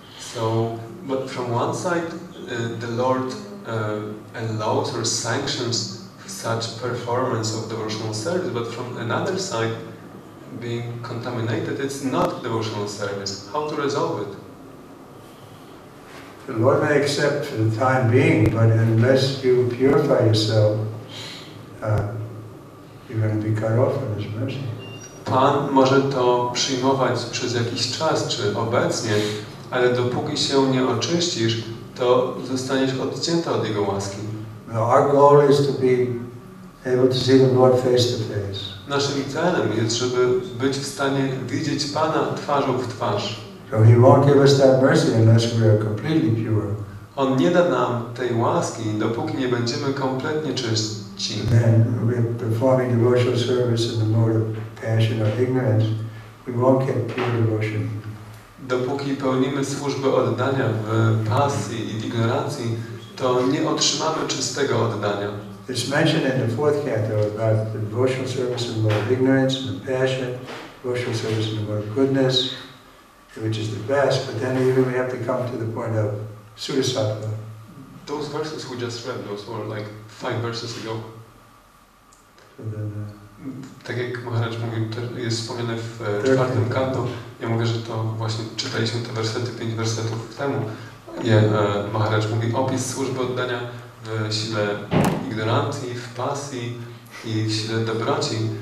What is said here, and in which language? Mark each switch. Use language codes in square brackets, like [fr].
[en] So, but from one side, the Lord allows or sanctions such performance of devotional service, but from another side, being contaminated, it's not devotional service. How to resolve it? The Lord may accept for the time being, but unless you purify yourself, you're going to be cut off from His mercy. [pl] Pan może to przyjmować przez jakiś czas, czy obecnie, ale dopóki się nie oczyścisz, to zostaniesz odcięty od Jego łaski. [en] Now our goal is to be able to see the Lord face to face. [pl] Naszym celem jest, żeby być w stanie widzieć Pana twarzą w twarz. [en] So He won't give us that mercy unless we are completely pure. [pl] On nie da nam tej łaski, dopóki nie będziemy kompletnie czyści. [en] Then we're performing devotional service in the mode of passion or ignorance. We won't get pure devotion. [pl] Dopóki pełnimy służbę oddania w pasji i ignorancji, to nie otrzymamy czystego oddania. [en] It's mentioned in the fourth canto about the devotional service in the mode of ignorance and passion, devotional service in the mode of goodness. Which is the best, but then even we have to come to the point of suddhisattva. Those verses we just read, those were like 5 verses ago. [pl] Tak jak Maharaj mówił, jest wspomniane w czwartym kanto. Ja mówię, że to właśnie czytaliśmy te wersety 5 wersetów temu. Maharaj mówi opis służby oddania w sile ignorancji, w pasji i w sile dobroci.